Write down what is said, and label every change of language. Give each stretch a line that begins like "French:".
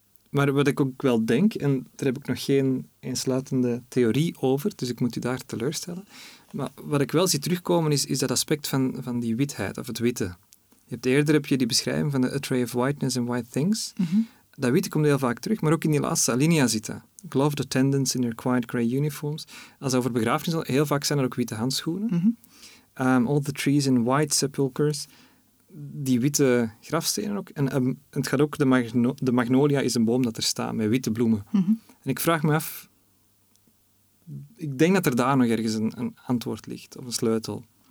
Dutch: Maar wat ik ook wel denk, en daar heb ik nog geen eensluitende theorie over, dus ik moet u daar teleurstellen. Maar wat ik wel zie terugkomen is dat aspect van die witheid, of het witte. Eerder heb je die beschrijving van de
English: A Tray of Whiteness and White Things.
Dutch: Mm-hmm. Dat witte komt heel vaak terug, maar ook in die laatste alinea zit dat.
English: Gloved attendants in their quiet grey uniforms.
Dutch: Als over begrafenis, heel vaak zijn er ook witte handschoenen. Mm-hmm.
English: All the trees in white sepulchres.
Dutch: Die witte grafstenen ook. En het gaat ook, de magnolia is een boom dat er staat met witte bloemen. Mm-hmm. En ik vraag me af, ik denk dat er daar nog ergens een antwoord ligt, of een sleutel.